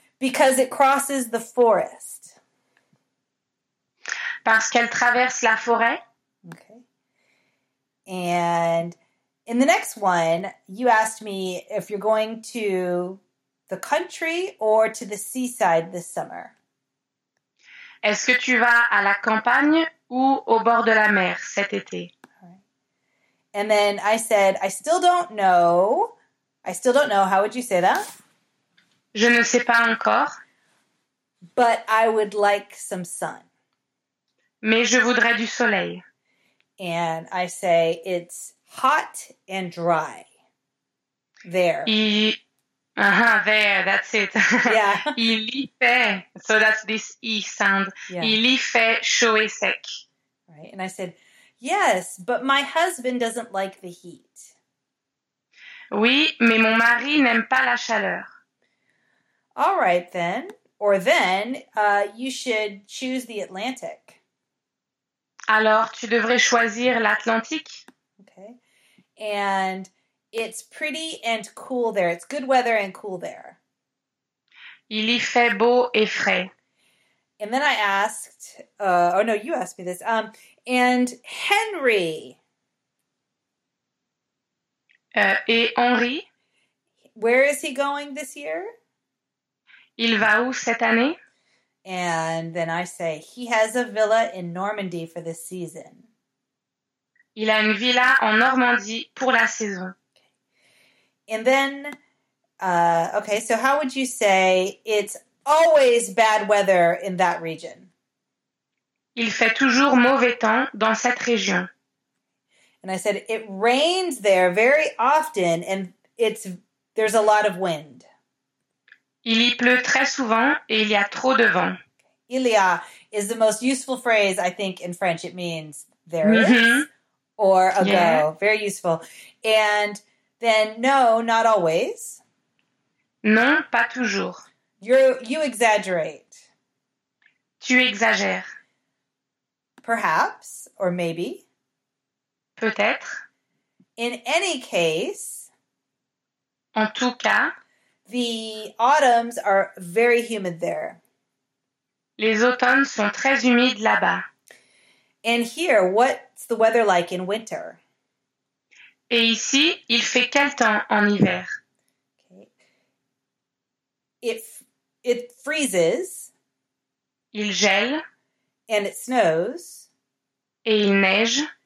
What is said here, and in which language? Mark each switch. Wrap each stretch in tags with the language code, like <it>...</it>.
<en>Because it crosses the forest.</en> <fr>Parce qu'elle traverse la forêt.</fr> <en>And in the next one, you asked me if you're going to the country or to the seaside this summer.</en> <fr>Est-ce que tu vas à la campagne ou au bord de la mer cet été?</fr> <en>And then I said, I still don't know. I still don't know. How would you say that?</en> <fr>Je ne sais pas encore.</fr> <en>But I would like some sun.</en> <fr>Mais je voudrais du soleil.</fr> <en>And I say, it's hot and dry there. There, that's it. Yeah.</en> <fr>Il y fait,</fr> <en>so that's this E sound. Yeah.</en> <fr>Il y fait chaud et sec.</fr> <en>Right, and I said, yes, but my husband doesn't like the heat.</en> <fr>Oui, mais mon mari n'aime pas la chaleur.</fr> <en>All right, then, or then, you should choose the Atlantic.</en> <fr>Alors, tu devrais choisir l'Atlantique.</fr> <en>Okay. And it's pretty and cool there. It's good weather and cool there.</en> <fr>Il y fait beau et frais.</fr> <en>And then I asked, oh no, you asked me this. And Henry.</en> <fr>Et Henri.</fr> <en>Where is he going this year?</en> <fr>Il va où cette année?</fr> <en>And then I say, he has a villa in Normandy for this season.</en> <fr>Il a une villa en Normandie pour la saison.</fr> <en>And then, okay, so how would you say, it's always bad weather in that region?</en> <fr>Il fait toujours mauvais temps dans cette région.</fr> <en>And I said, it rains there very often and there's a lot of wind.</en> <fr>Il y pleut très souvent et il y a trop de vent. il y a</fr> <en>is the most useful phrase, I think, in French. It means there is or ago. Yeah. Very useful. And then no, not always.</en> <fr>Non, pas toujours.</fr> <en>You exaggerate.</en> <fr>Tu exagères.</fr> <en>Perhaps or maybe.</en> <fr>Peut-être.</fr> <en>In any case.</en> <fr>En tout cas.</fr> <en>The autumns are very humid there.</en> <fr>Les automnes sont très humides là-bas.</fr> <en>And here, what's the weather like in winter?</en> <fr>Et ici, il fait quel temps en hiver?</fr> <en>Okay. It freezes.</en> <fr>Il gèle.</fr> <en>And it snows.</en> <fr>Et il neige.</fr>